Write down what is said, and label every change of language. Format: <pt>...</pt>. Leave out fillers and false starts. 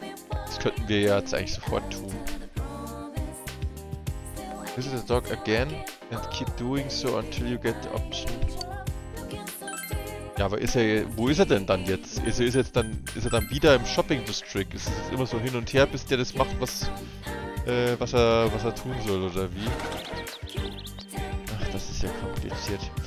<de>Das könnten wir ja jetzt eigentlich sofort tun.</de> <en>Visit the dog again and keep doing so until you get the option.</en> <de>Ja, aber ist er, wo ist er denn dann jetzt? Ist er dann wieder im Shopping District? Ist es jetzt immer so hin und her, bis der das macht, was er tun soll, oder wie? Ach, das ist ja kompliziert.</de>